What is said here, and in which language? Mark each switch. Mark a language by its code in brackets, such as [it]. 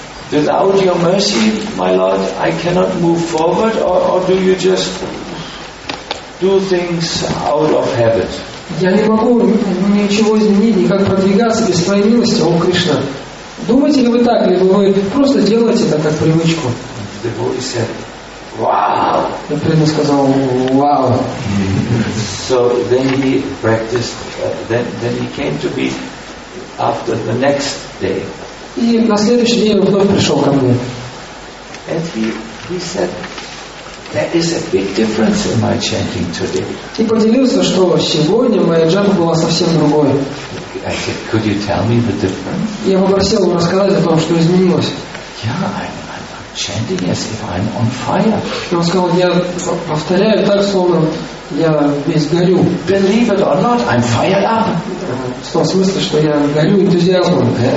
[en] Without your mercy, my Lord, I cannot move forward, or do you just do things out of habit? [ru] Я не могу ничего изменить, никак продвигаться без твоей милости, о Кришна. Думаете ли вы так, или вы просто делаете это как привычку? [en] The devotee said, wow! [ru] Я прямо сказал, wow! [en] So then he practiced, then he came to me after the next day. [ru] И на следующий день он вновь пришел ко мне. [en] And he said, that is a big difference in my chanting today. [ru] И поделился, что сегодня моя джапа была совсем другой. [en] I said, could you tell me the difference? [ru] Я попросил его рассказать о том, что изменилось. [en] Yeah, I'm chanting as if I'm on fire. [ru] И он сказал, я повторяю так, словно я весь горю. [en] Believe it or not, I'm fired up. [ru] В том смысле, что я горю энтузиазмом.